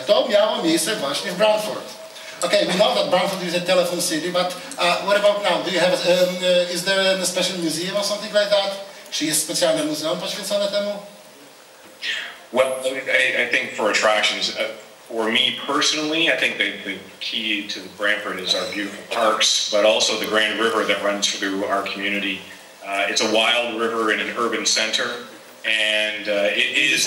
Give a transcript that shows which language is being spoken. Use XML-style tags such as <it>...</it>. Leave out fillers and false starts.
<pl>To miało miejsce właśnie w Brantford.</pl> <en>Okay, we know that Brantford is a telephone city, but what about now? Do you have is there a special museum or something like that?</en> <pl>Czy jest specjalne muzeum poświęcone temu?</pl> <en>Well, I think for attractions, for me personally, I think the key to Brantford is our beautiful parks, but also the Grand River that runs through our community. It's a wild river in an urban center, and it is</en>